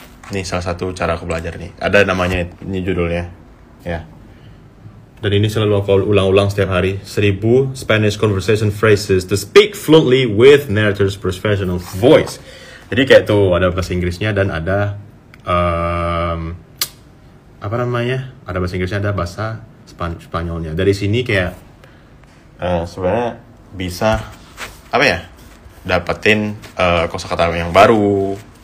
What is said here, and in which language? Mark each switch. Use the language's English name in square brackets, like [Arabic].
[Indonesian] Ini salah satu cara aku belajar nih. Ada namanya, ini judulnya. Ya. Dan ini selalu aku ulang-ulang setiap hari. [English] 1000 Spanish Conversation Phrases to Speak Fluently with Narrator's Professional Voice. [Indonesian] Jadi kayak tuh, ada bahasa Inggrisnya dan ada... apa namanya? Ada bahasa Inggrisnya, ada bahasa Spanyolnya. Dari sini kayak... sebenarnya bisa... Apa ya? Dapetin kosakata yang baru...